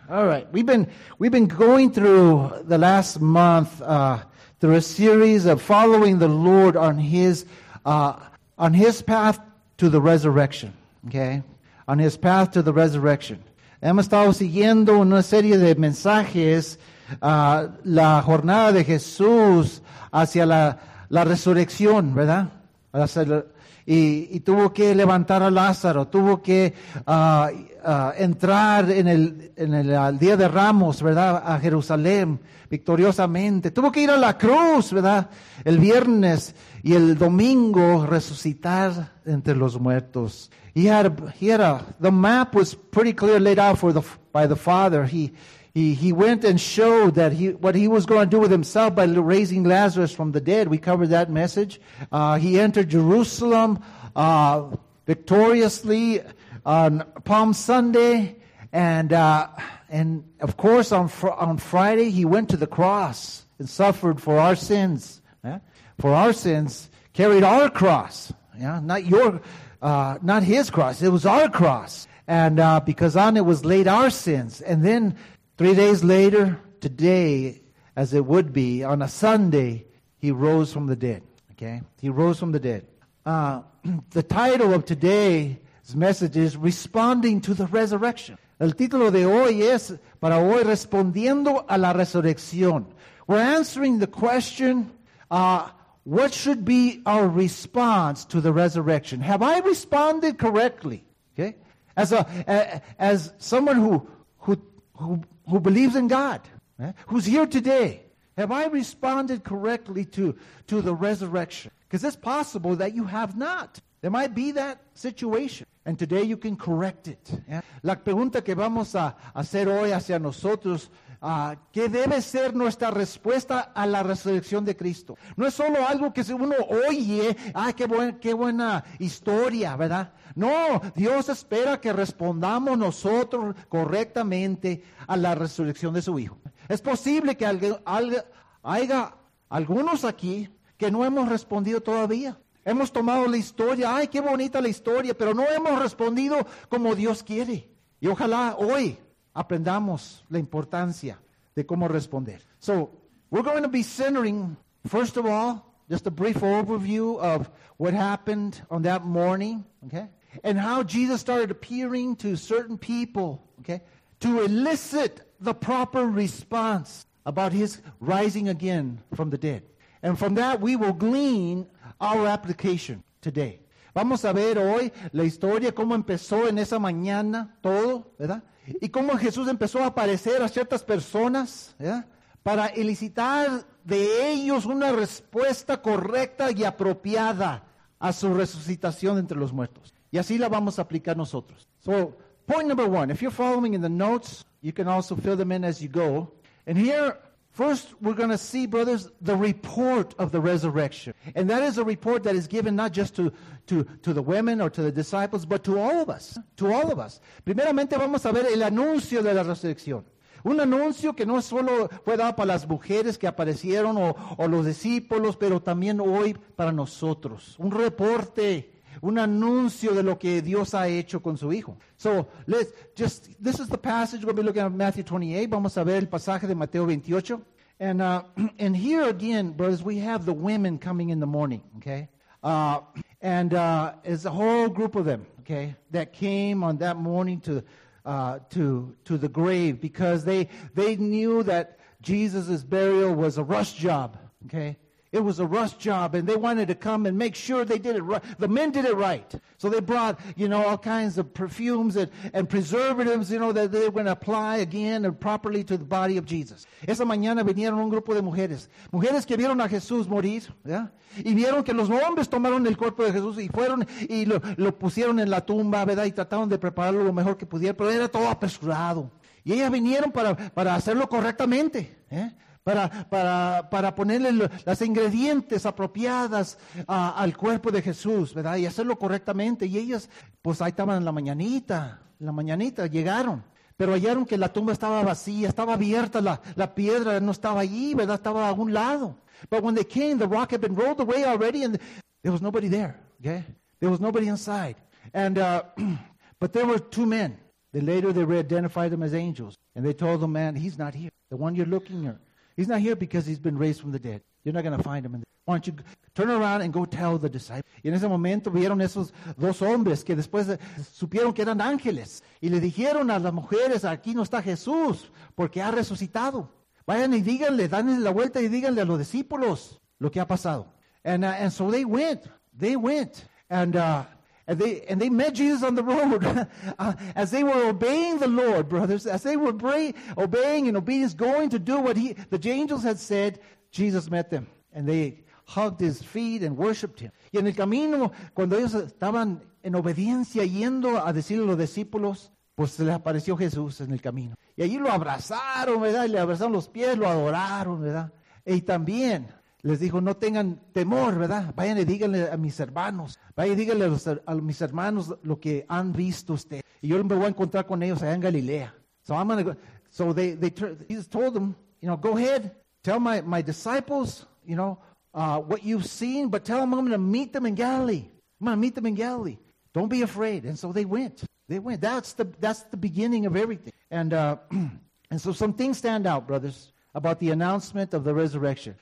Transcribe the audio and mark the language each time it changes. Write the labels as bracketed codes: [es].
[en] All right, we've been going through the last month through a series of following the Lord on His path to the resurrection. Okay, on His path to the resurrection. [es] Hemos estado siguiendo una serie de mensajes la jornada de Jesús hacia la resurrección, ¿verdad? Y tuvo que levantar a Lázaro, tuvo que entrar en el día de Ramos, ¿verdad? A Jerusalén victoriosamente. Tuvo que ir a la cruz, ¿verdad? El viernes y el domingo resucitar entre los muertos. [en] The map was pretty clear laid out by the Father. He went and showed that what he was going to do with himself by raising Lazarus from the dead. We covered that message. He entered Jerusalem victoriously on Palm Sunday, and of course on Friday he went to the cross and suffered for our sins. Yeah? For our sins, carried our cross. Yeah, not his cross. It was our cross, and because on it was laid our sins, and then. 3 days later, today, as it would be, on a Sunday, he rose from the dead. Okay? He rose from the dead. The title of today's message is Responding to the Resurrection. [es] El título de hoy es, para hoy, Respondiendo a la Resurrección. [en] We're answering the question, what should be our response to the resurrection? Have I responded correctly? Okay? As someone who believes in God, who's here today. Have I responded correctly to the resurrection? Because it's possible that you have not. There might be that situation. And today you can correct it. Yeah? [es] La pregunta que vamos a hacer hoy hacia nosotros, ¿qué debe ser nuestra respuesta a la resurrección de Cristo? No es solo algo que si uno oye, ¡ay, qué buena historia!, ¿verdad? No, Dios espera que respondamos nosotros correctamente a la resurrección de su Hijo. Es posible que haya algunos aquí que no hemos respondido todavía. Hemos tomado la historia, ¡ay, qué bonita la historia!, pero no hemos respondido como Dios quiere. Y ojalá hoy aprendamos la importancia de cómo responder. [en] So, we're going to be centering, first of all, just a brief overview of what happened on that morning, okay? And how Jesus started appearing to certain people, okay, to elicit the proper response about his rising again from the dead. And from that, we will glean our application today. [es] Vamos a ver hoy la historia, cómo empezó en esa mañana todo, ¿verdad? Y cómo Jesús empezó a aparecer a ciertas personas, ¿verdad? Para elicitar de ellos una respuesta correcta y apropiada a su resucitación entre los muertos. Y así la vamos a aplicar nosotros. [en] So, point number one, if you're following in the notes, you can also fill them in as you go. And here, first, we're going to see, brothers, the report of the resurrection. And that is a report that is given not just to the women or to the disciples, but to all of us. To all of us. [es] Primeramente, vamos a ver el anuncio de la resurrección. Un anuncio que no solo fue dado para las mujeres que aparecieron o los discípulos, pero también hoy para nosotros. Un reporte, un anuncio de lo que Dios ha hecho con su Hijo. [en] So, this is the passage we'll be looking at, Matthew 28. [es] Vamos a ver el pasaje de Mateo 28. [en] And here again, brothers, we have the women coming in the morning, okay? It's a whole group of them, okay, that came on that morning to the grave because they knew that Jesus' burial was a rush job, okay? It was a rush job, and they wanted to come and make sure they did it right. The men did it right. So they brought, you know, all kinds of perfumes and preservatives, you know, that they were going to apply again and properly to the body of Jesus. [es] Esa mañana vinieron un grupo de mujeres. Mujeres que vieron a Jesús morir, ¿verdad? Y vieron que los hombres tomaron el cuerpo de Jesús y fueron y lo pusieron en la tumba, ¿verdad? Y trataron de prepararlo lo mejor que pudieron, pero era todo apresurado. Y ellas vinieron para hacerlo correctamente, ¿eh? Para ponerle las ingredientes apropiadas al cuerpo de Jesús, ¿verdad? Y hacerlo correctamente. Y ellas, pues ahí estaban en la mañanita, llegaron. Pero hallaron que la tumba estaba vacía, estaba abierta, la piedra no estaba allí, ¿verdad? Estaba a un lado. [en] But when they came, the rock had been rolled away already, and there was nobody there, okay? There was nobody inside. But there were two men. Then later they re-identified them as angels. And they told them, man, he's not here. The one you're looking at, he's not here because he's been raised from the dead. You're not going to find him. Why don't you turn around and go tell the disciples? [es] Y en ese momento vieron esos dos hombres que después supieron que eran ángeles. Y le dijeron a las mujeres, aquí no está Jesús porque ha resucitado. Vayan y díganle, danle la vuelta y díganle a los discípulos lo que ha pasado. [en] And so they went. They went. And they met Jesus on the road as they were obeying the Lord, brothers. As they were obeying in obedience, going to do what the angels had said, Jesus met them. And they hugged his feet and worshipped him. [es] Y en el camino, cuando ellos estaban en obediencia yendo a decirle a los discípulos, pues se les apareció Jesús en el camino. Y allí lo abrazaron, ¿verdad? Y le abrazaron los pies, lo adoraron, ¿verdad? Y también les dijo, no tengan temor, ¿verdad? Vayan y díganle a mis hermanos. Vayan y díganle a mis hermanos lo que han visto ustedes. Y yo me voy a encontrar con ellos allá en Galilea. [en] So I'm gonna go. So they just told them, you know, go ahead, tell my disciples, you know, what you've seen, but tell them I'm going to meet them in Galilee. I'm going to meet them in Galilee. Don't be afraid. And so they went. They went. That's the beginning of everything. And so some things stand out, brothers, about the announcement of the resurrection.